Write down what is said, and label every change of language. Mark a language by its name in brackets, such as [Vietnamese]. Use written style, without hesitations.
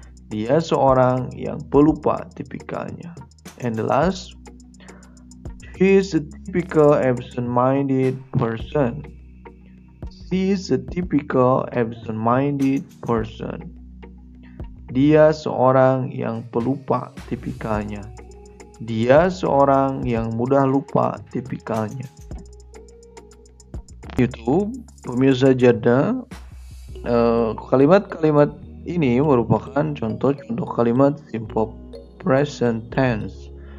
[Indonesian] Dia seorang yang pelupa tipikalnya. [English] And the last, she is a typical absent-minded person. She is a typical absent-minded person. [Indonesian] Dia seorang yang pelupa tipikalnya. Dia seorang yang mudah lupa tipikalnya. YouTube, pemirsa Jada, kalimat-kalimat ini merupakan contoh-contoh kalimat simple present tense.